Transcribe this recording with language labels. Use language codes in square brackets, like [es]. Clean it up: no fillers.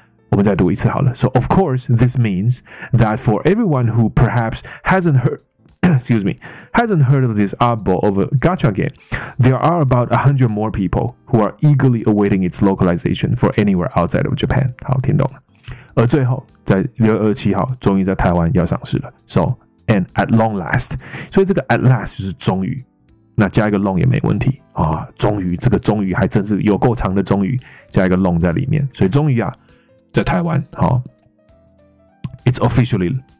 [zh] 我们再读一次好了。 [en] So of course this means that for everyone who perhaps hasn't heard of this oddball of a gacha game, there are about 100 more people who are eagerly awaiting its localization for anywhere outside of Japan. [zh] 好，听懂了。而最后，在6月27号，终于在台湾要上市了。 [en] So and at long last, [zh] 所以这个 at last 就是终于，那加一个 long 也没问题啊。终于，这个终于还真是有够长的终于，加一个 long 在里面，所以终于啊，在台湾好 ， [en] it's officially。